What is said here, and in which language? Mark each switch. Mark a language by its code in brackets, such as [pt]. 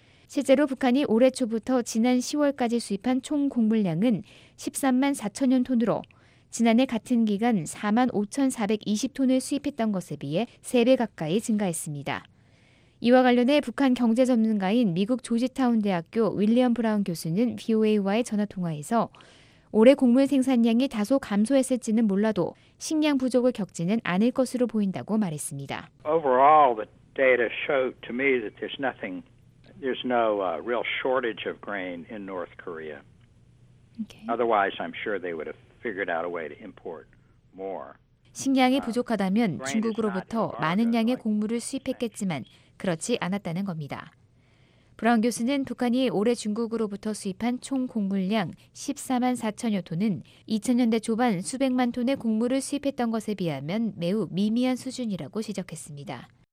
[ko] 실제로 북한이 올해 초부터 지난 10월까지 수입한 총 곡물량은 13만 4천여 톤으로 지난해 같은 기간 4만 5,420톤을 수입했던 것에 비해 3배 가까이 증가했습니다. 이와 관련해 북한 경제 전문가인 미국 조지타운 대학교 윌리엄 브라운 교수는 VOA와의 전화통화에서 올해 곡물 생산량이 다소 감소했을지는 몰라도 식량 부족을 겪지는 않을 것으로 보인다고 말했습니다. [en] Overall, the data showed to me that there's nothing, there's no real shortage of grain in North Korea. Otherwise, I'm sure they would have figured out a way to import more. [ko] 식량이 부족하다면 중국으로부터 많은 양의 곡물을 수입했겠지만 그렇지 않았다는 겁니다. 브라운 교수는 북한이 올해 중국으로부터 수입한 총 곡물량 14만 4천여 톤은 2000년대 초반 수백만 톤의 곡물을 수입했던 것에 비하면 매우 미미한 수준이라고 지적했습니다.